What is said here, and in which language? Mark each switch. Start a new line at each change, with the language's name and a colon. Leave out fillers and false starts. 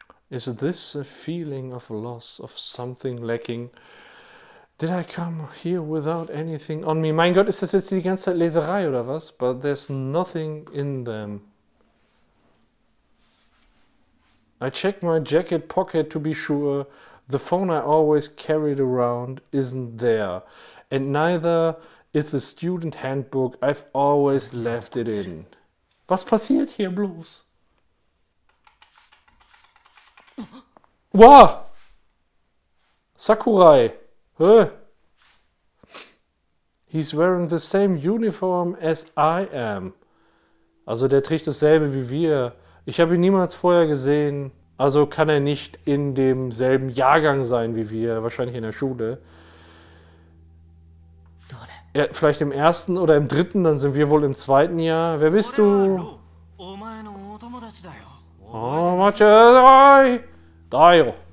English: Is this a feeling of loss, of something lacking? Did I come here without anything on me?
German: Mein Gott, ist das jetzt die ganze Zeit Leserei oder was?
English: But there's nothing in them. I check my jacket pocket to be sure, The phone I always carried around isn't there. And neither is the student handbook I've always left it in.
German: Was passiert hier bloß? Wow! Sakurai! Huh?
English: He's wearing the same uniform as I am.
German: Also der trägt dasselbe wie wir. Ich habe ihn niemals vorher gesehen. Also kann er nicht in demselben Jahrgang sein wie wir. Wahrscheinlich in der Schule. Ja, vielleicht im ersten oder im dritten, dann sind wir wohl im zweiten Jahr. Wer bist du? Oh, Macho, hi! Dio.